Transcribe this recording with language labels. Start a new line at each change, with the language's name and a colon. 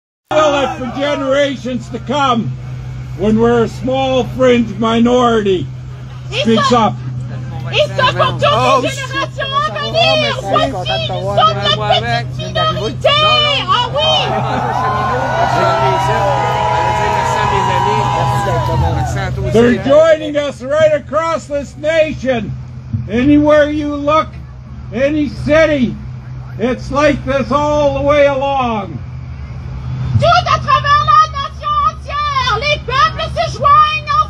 English: Develop for generations to come when we're a small fringe minority.
French: Et ça pour toutes les générations à venir! Voici, nous sommes la petite minorité! Ah oui!
English: They're joining us right across this nation! Anywhere you look, any city, it's like this all the way along!
French: Tout à travers la nation entière, les peuples se joignent!